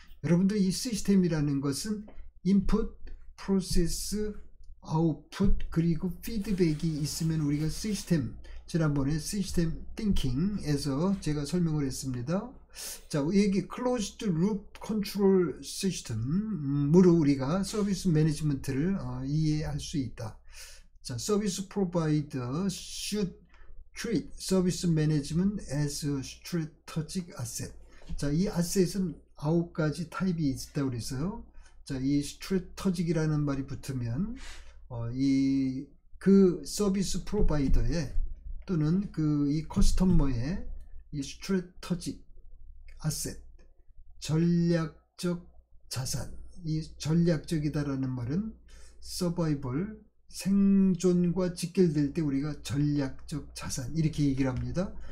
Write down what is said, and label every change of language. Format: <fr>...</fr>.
<ko>여러분들 이 시스템이라는 것은 인풋, 프로세스, 아웃풋 그리고 피드백이 있으면 우리가 시스템 지난번에 시스템 띵킹에서 제가 설명을 했습니다. 자, 여기 클로즈드 루프 컨트롤 시스템으로 우리가 서비스 매니지먼트를 이해할 수 있다.</ko> <en>자, 서비스 프로바이더 should treat 서비스 매니지먼트 as a strategic asset.</en> <ko>자, 이 아셋은 9가지 타입이 있다고 그래서요. 자, 이 strategic이라는 말이 붙으면 이그 서비스 프로바이더에 또는 그이 커스터머의 이 스트래터지 아셋 전략적 자산 이 전략적이다라는 말은 서바이벌 생존과 직결될 때 우리가 전략적 자산 이렇게 얘기를 합니다.</ko>